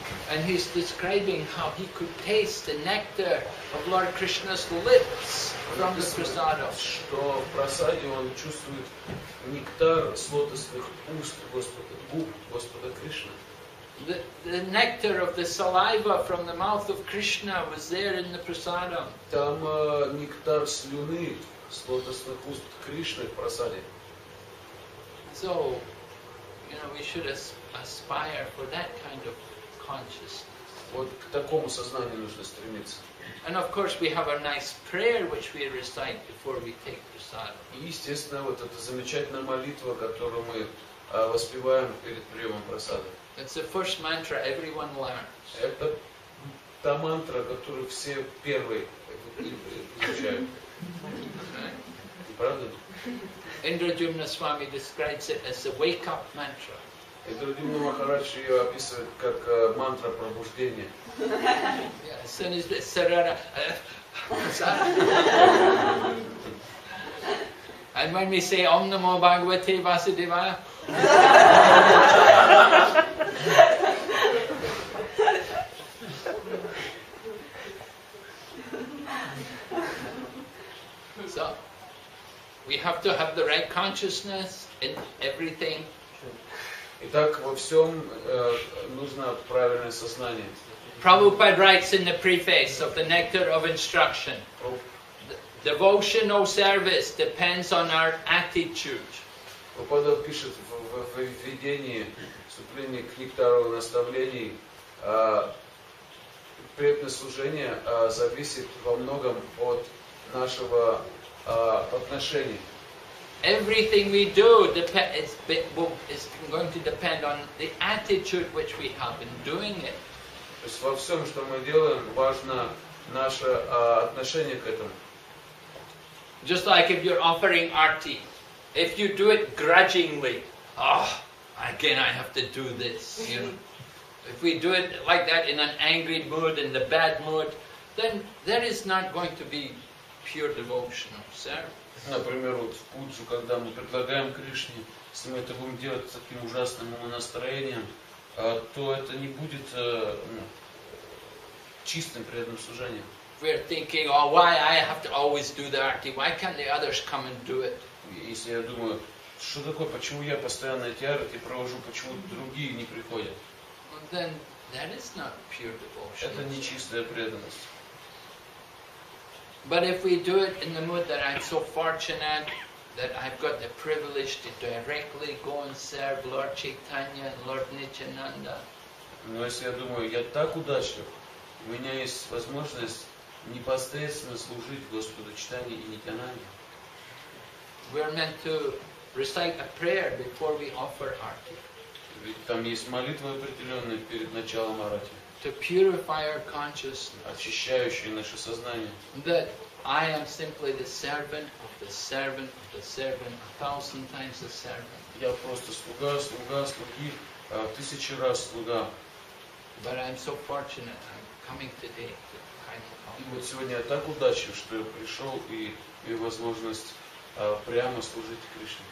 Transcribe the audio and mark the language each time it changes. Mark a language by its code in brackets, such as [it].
[en] And he's describing how he could taste the nectar of Lord Krishna's lips from the prasada. [ru] Что в прасаде он чувствует нектар с лотосных уст Господа, губ Господа Кришны. [en] The nectar of the saliva from the mouth of Krishna was there in the prasada. [ru] Там нектар слюны с лотосных уст Кришны в прасаде. [en] So, you know, we should aspire for that kind of consciousness. [ru] Вот к такому сознанию нужно стремиться. [en] And of course, we have a nice prayer which we recite before we take prasada. [ru] И естественно, вот эта замечательная молитва, которую мы воспеваем перед приемом прасады. [en] It's the first mantra everyone learns. [ru] Это та мантра, которую все первые изучают. Правда? [en] Indrajumna Swami describes it as the wake-up mantra. [ru] Indrajumna Maharaj ее описывает как мантра пробуждения. [en] As soon as the sarara, and when we say Om Namo Bhagavate Vasudevaya, so. We have to have the right consciousness in everything. [ru] Итак, во всем нужно правильное сознание. [en] Prabhupada writes in the preface of the Nectar of Instruction, devotional service depends on our attitude. [ru] Прабхупада пишет в введении, вступлении к Нектару наставлений, преданное служение зависит во многом от нашего отношения. [en] Everything we do is going to depend on the attitude which we have in doing it. [ru] То есть во всем, что мы делаем, важно наше отношение к этому. [en] Just like if you're offering arti, if you do it grudgingly, again I have to do this. You know, if we do it like that in an angry mood, in the bad mood, then there is not going to be pure devotional service. [ru] Например, вот в пуджу, когда мы предлагаем Кришне, если мы это будем делать с таким ужасным настроением, то это не будет чистым преданным служением. [en] We're thinking, oh, why I have to always do the arti? Why can't the others come and do it? [ru] Если я думаю, что такое, почему я постоянно эти арти провожу, почему другие не приходят? [en] Well, then that is not pure devotion. [ru] Это не чистая преданность. [en] But if we do it in the mood that I'm so fortunate that I've got the privilege to directly go and serve Lord Chaitanya and Lord Nityananda. [ru] Но если я думаю, я так удачлив, у меня есть возможность непосредственно служить Господу Чайтанье и Нитянанде. [en] We are meant to recite a prayer before we offer arti. [ru] Ведь там есть молитва определенная перед началом арати. [en] To purify our consciousness. [ru] Очищающее наше сознание. [en] That I am simply the servant of the servant of the servant, a thousand times the servant. [ru] Я просто слуга, слуга, слуги, тысячи раз слуга. [en] But I'm so fortunate I'm coming today to kind of help. [ru] И вот сегодня я так удачлив, что я пришел и имею возможность прямо служить Кришне.